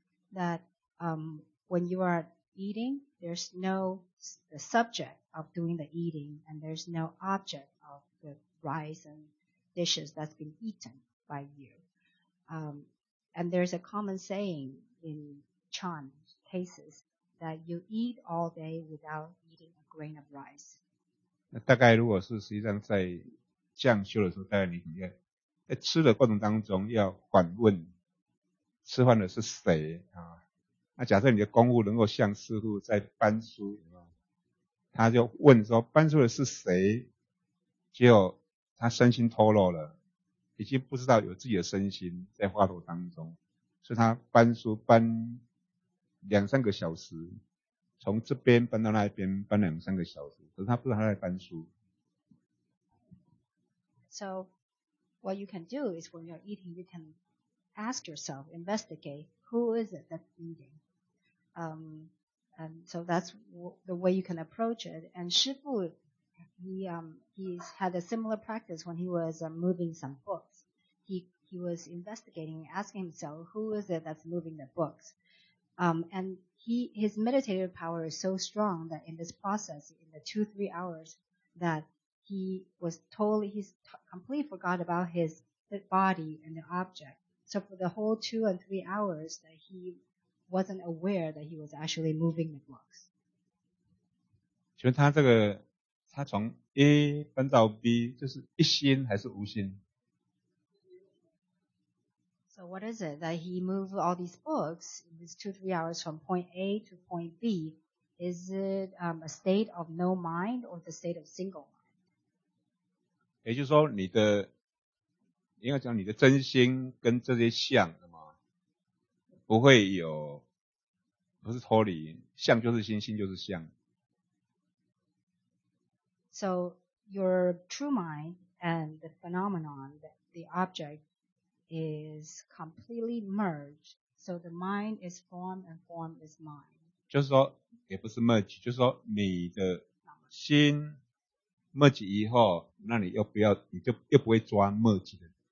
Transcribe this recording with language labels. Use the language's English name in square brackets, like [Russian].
[English] That, when you are eating, there's no the subject of doing the eating, and there's no object of the rice and dishes that's been eaten by you. And there's a common saying in chan cases that you eat all day without eating a grain of rice. [Chinese] 那大概如果是实际上在降修的时候，大概你应该在吃的过程当中要反问吃饭的是谁啊？那假设你的功夫能够像师父在搬书，他就问说搬书的是谁，结果他身心脱落了，已经不知道有自己的身心在话头当中。所以他搬书搬两三个小时，从这边搬到那边搬两三个小时，可是他不知道他在搬书。 [English] So, what you can do is when you're eating, you can ask yourself, investigate, who is it that's eating? And so that's the way you can approach it. And Shifu, he had a similar practice when he was moving some books. He was investigating, asking himself, who is it that's moving the books? And his meditative power is so strong that in this process, in the 2-3 hours, that he was totally, completely forgot about his body and the object. So for the whole 2 and 3 hours that he wasn't aware that he was actually moving the blocks. [Chinese] 请问他这个, 他从A分到B, 就是一心还是无心? [English] So what is it that he moved all these books in these 2-3 hours from point A to point B? Is it a state of no mind or the state of single mind? [Chinese] 也就是说你的 应该讲你的真心跟这些相，不会有，不是脱离，相就是心，心就是相。 [English] So your true mind and the phenomenon, the object, is completely merged. So the mind is form and form is mind. [Chinese] 就是说，也不是 merge， 就是说你的心 merge 以后，那你又不要，你就又不会抓 merge 的。